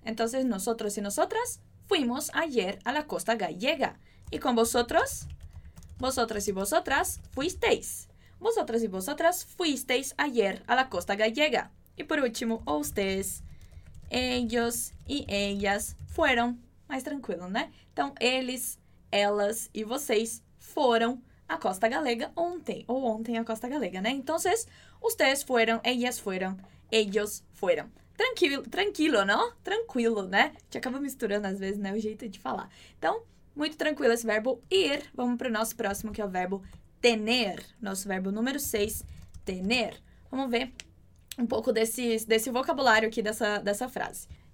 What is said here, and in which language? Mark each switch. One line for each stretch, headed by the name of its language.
Spanish: Entonces, nosotros y nosotras fuimos ayer a la costa gallega. ¿Y con vosotros? Vosotras y vosotras fuisteis. Vosotras y vosotras fuisteis ayer a la costa gallega. Y por último, ustedes, ellos y ellas fueron. Más tranquilo, ¿no?
Portuguese: Então, eles, elas y vocês foram a costa galega ontem. Ou ontem a costa galega, né?
Spanish: Entonces, ustedes fueron, ellas fueron, ellos fueron.
Portuguese: Tranquilo, não? Tranquilo, né? A gente acaba misturando às vezes, né? O jeito de falar. Então, muito tranquilo esse verbo ir. Vamos para o nosso próximo, que é o verbo tener. Nosso verbo número 6, tener. Vamos ver um pouco desse vocabulário aqui dessa frase.